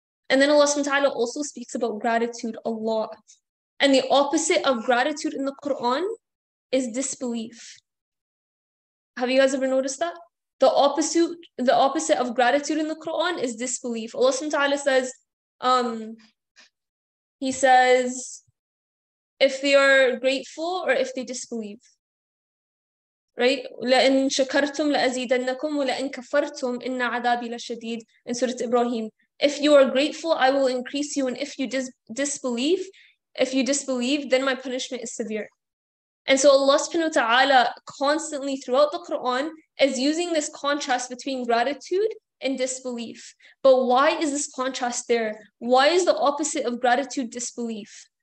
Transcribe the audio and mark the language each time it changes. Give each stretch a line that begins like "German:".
English: And then Allah subhanahu wa ta'ala also speaks about gratitude a lot. And the opposite of gratitude in the Quran is disbelief. Have you guys ever noticed that? The opposite of gratitude in the Quran is disbelief. Allah subhanahu wa ta'ala says, he says, if they are grateful or if they disbelieve, right?
Arabic: لَإِن شَكَرْتُمْ لَأَزِيدَنَّكُمْ وَلَإِن كَفَرْتُمْ إِنَّ عَذَابِ لَشَدِيدٌ
English: in Surah Ibrahim. If you are grateful, I will increase you. And if you disbelieve, then my punishment is severe. And so Allah subhanahu wa ta'ala constantly throughout the Quran is using this contrast between gratitude and disbelief. But why is this contrast there? Why is the opposite of gratitude disbelief?